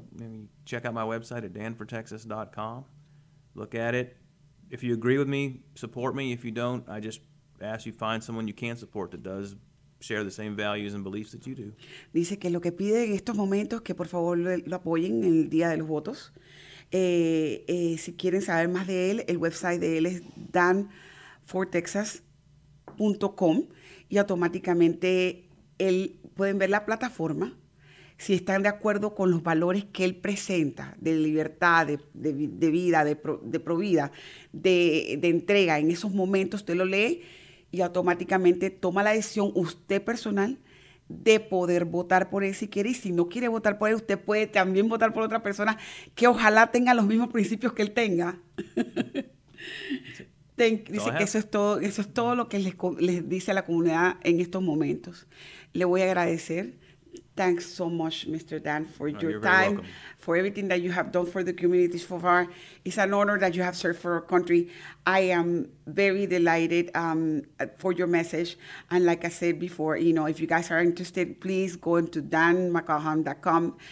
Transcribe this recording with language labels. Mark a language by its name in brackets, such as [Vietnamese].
[English] Maybe check out my website at danfortexas.com. Look at it. If you agree with me, support me. If you don't, I just ask you find someone you can support that does share the same values and beliefs that you do. [Spanish] Dice que lo que pide en estos momentos que por favor lo apoyen en el día de los votos. Si quieren saber más de él, el website de él es danfortexas.com y automáticamente él pueden ver la plataforma. Si están de acuerdo con los valores que él presenta de libertad, de vida, de provida, de entrega, en esos momentos usted lo lee y automáticamente toma la decisión usted personal de poder votar por él si quiere. Y si no quiere votar por él, usted puede también votar por otra persona que ojalá tenga los mismos principios que él tenga. Dice que eso es todo lo que les dice a la comunidad en estos momentos. Le voy a agradecer. [English] Thanks so much, Mr. Dan, for your time, for everything that you have done for the community so far. It's an honor that you have served for our country. I am very delighted for your message. And like I said before, you know, if you guys are interested, please go into danmckaughan.com.